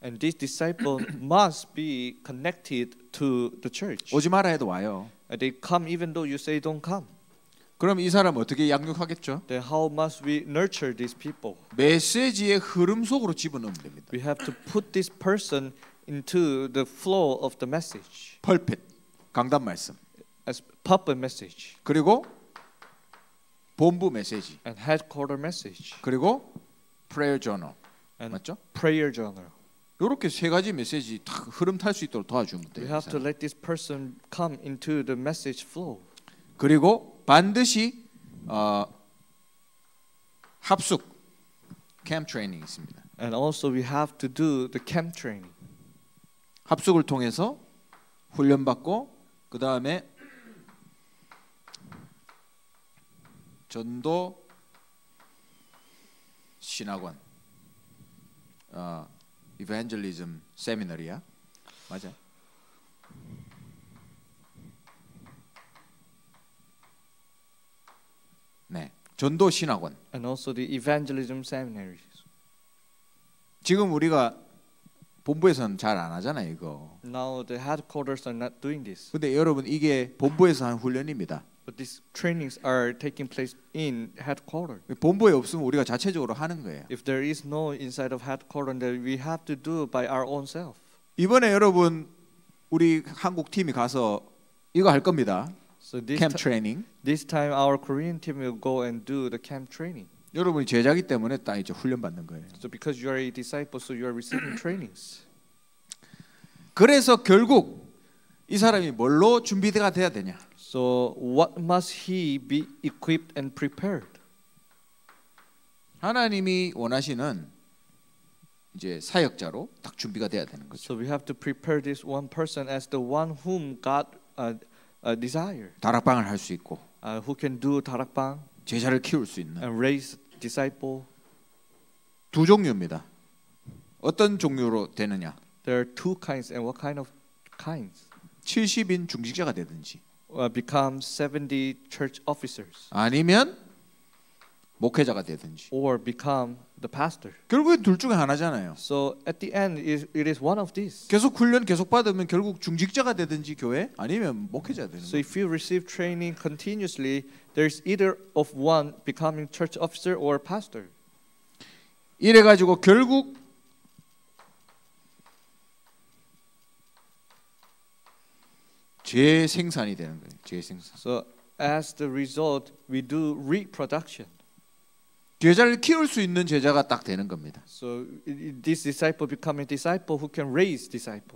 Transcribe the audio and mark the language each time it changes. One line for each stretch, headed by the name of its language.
English: And this disciple must be connected to the church.
Korean: 오지 마라 해도 와요.
English: And they come even though you say don't come.
Korean: 그럼 이 사람 어떻게 양육하겠죠?
English: Then how must we nurture these people?
Korean: 메시지의 흐름 속으로 집어넣으면 됩니다.
English: We have to put this person into the flow of the message.
Korean: 펄핏 강단 말씀.
English: As pulpit message.
Korean: 그리고 본부 메시지.
English: And headquarter message.
Korean: 그리고 prayer journal 맞죠?
English: prayer journal
Korean: 이렇게 세 가지 메시지 다 흐름 탈 수 있도록 도와주면 돼요.
English: We have to let this person come into the message flow.
Korean: 그리고 반드시 합숙 camp training 있습니다.
English: And also we have to do the camp training.
Korean: 합숙을 통해서 훈련 받고 그 다음에 전도 신학원, evangelism seminary야, 맞아? 네, 전도 신학원.
English: And also the evangelism seminaries.
Korean: 지금 우리가 본부에서는 잘 안 하잖아요, 이거.
English: Now the headquarters are not doing this.
Korean: 근데 여러분 이게 본부에서 한 훈련입니다.
English: But these trainings are taking place in headquarters.
Korean: 본부에 없으면 우리가 자체적으로 하는 거예요.
English: If there is no inside of headquarters, then we have to do it by our own self.
Korean: 이번에 여러분 우리 한국 팀이 가서 이거 할 겁니다.
English: So this camp training. This time our Korean team will go and do the camp training.
Korean: 여러분이 제자기 때문에 딱 이제 훈련 받는 거예요.
English: So because you are a disciple, so you are receiving trainings.
Korean: 그래서 결국 이 사람이 뭘로 준비가 돼야 되냐?
English: So what must he be equipped and prepared?
Korean: 하나님이 원하시는 이제 사역자로 딱 준비가 돼야 되는 거죠.
English: So we have to prepare this one person as the one whom God desire.
Korean: 다락방을 할 수 있고.
English: Who can do 다락방?
Korean: 제자를 키울 수 있는.
English: And raise disciple.
Korean: 두 종류입니다. 어떤 종류로 되느냐?
English: There are two kinds and what kind of kinds?
Korean: 70인 중직자가 되든지
English: become 70 church officers
Korean: 아니면 목회자가 되든지
English: or become the pastor
Korean: 결국엔 둘 중에 하나잖아요.
English: So at the end it is one of these.
Korean: 계속 훈련 계속 받으면 결국 중직자가 되든지 교회 아니면 목회자 되는
English: So if you receive training continuously there's either of one becoming church officer or pastor.
Korean: 이래 가지고 결국 재생산이 되는 거예요. 재생산.
English: So as the result, we do reproduction.
Korean: 제자를 키울 수 있는 제자가 딱 되는 겁니다.
English: So this disciple becomes a disciple who can raise disciples.